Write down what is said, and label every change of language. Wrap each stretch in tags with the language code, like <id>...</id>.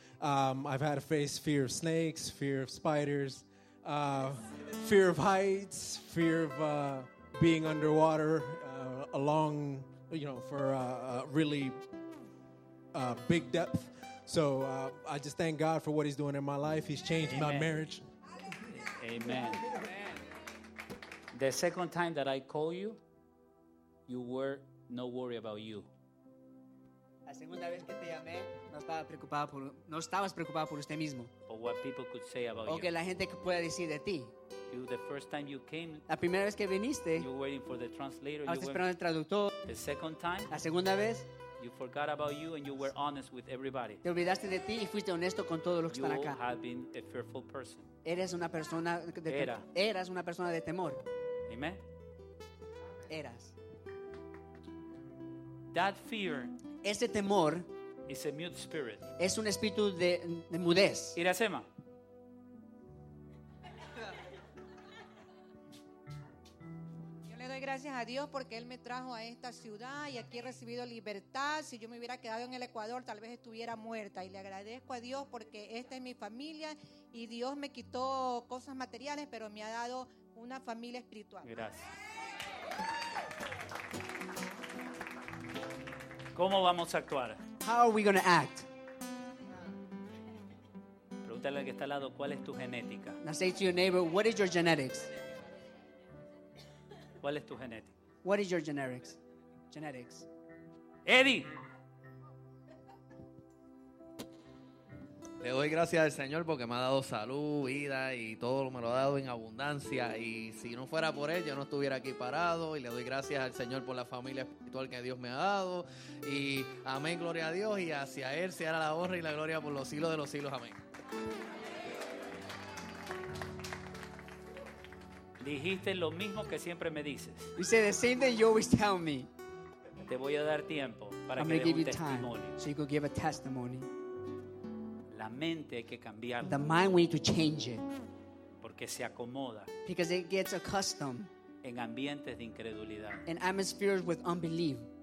<en>I've had to face fear of snakes, fear of spiders, fear of heights, fear of being underwater along, for really... big depth. So I just thank God for what he's doing in my life. He's changed Amen. My marriage. Amen. The second time that I call you, you were no worry about you.</en> <es>La segunda vez que te llamé, no estabas preocupado por usted mismo.</es> <en>Or what people could say about</en> <es>o</es> <en>you.</en> <es>O que la gente pueda decir de ti.</es> <en>You, the first time you came,</en> <es>la primera vez que viniste,</es> <en>you were waiting for the translator.</en> <es>Estabas esperando el traductor.</es> <en>The second time,</en> <es>la segunda vez,</es> <en>you forgot about you and you were honest with everybody.</en> <es>Te olvidaste de ti y fuiste honesto con todos los que están acá.</es> <en>You have been a fearful person.</en> <es>Eres una persona de temor. Eras una persona de temor. Amen. Eras.</es> <en>That fear.</en> <es>Ese temor.</es> <en>Is a mute spirit.</en> <es>Es un espíritu de mudez. Irasema. Gracias a Dios porque Él me trajo a esta ciudad y aquí he recibido libertad. Si yo me hubiera quedado en el Ecuador, tal vez estuviera muerta. Y le agradezco a Dios porque esta es mi familia y Dios me quitó cosas materiales, pero me ha dado una familia espiritual. Gracias. ¿Cómo vamos a actuar?</es> <en>How are we going to act?</en> <es>Pregúntale al que está al lado, ¿cuál es tu genética?</es> <en>Now say to your neighbor, what is your genetics?</en> <es>¿Cuál es tu genética?</es> <en>What is your genetics? Genetics. Eddie.</en> <es>Le doy gracias al Señor porque me ha dado salud, vida y todo lo me lo ha dado en abundancia. Y si no fuera por él, yo no estuviera aquí parado. Y le doy gracias al Señor por la familia espiritual que Dios me ha dado. Y amén, gloria a Dios. Y hacia él se hará la honra y la gloria por los siglos de los siglos. Amén. Dijiste lo mismo que siempre me dices.</es> <en>You say the same thing you always tell me.</en> <es>Te voy a dar tiempo para que des un testimonio.</es> <en>So you could give a testimony.</en> <es>La mente hay que cambiarla.</es> <en>The mind we need to change it.</en> <es>Porque se acomoda.</es> <en>Because it gets accustomed.</en> <es>En ambientes de incredulidad.</es> <en>In atmospheres with unbelief.</en>